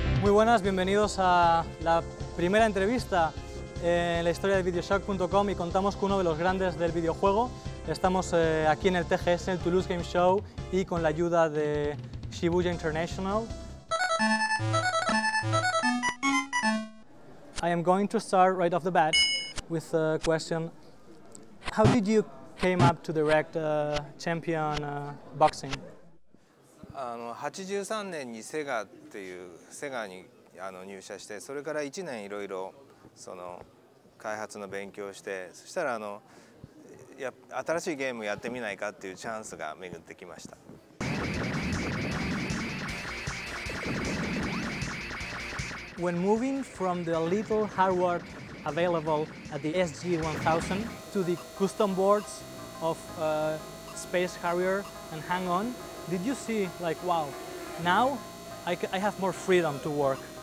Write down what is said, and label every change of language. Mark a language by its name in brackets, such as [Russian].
[Spanish] buenas, bienvenidos a la primera entrevista en la historia de videoshock.com y contamos con uno de los grandes del videojuego. Estamos aquí en el TGS, el Toulouse Game Show, y con la ayuda de Shibuya International. [English] I am going to start right off the bat with a question. How did you came up to direct champion boxing? [Japanese] 83年にセガっていうセガに入社して、それから1年いろいろその開発の勉強をして、そしたら新しいゲームやってみないかっていうチャンスが巡ってきました。 [English] When moving from the little hardware available at the SG-1000 to the custom boards of Space Harrier and Hang On, did you see like, wow, now I have more freedom to work?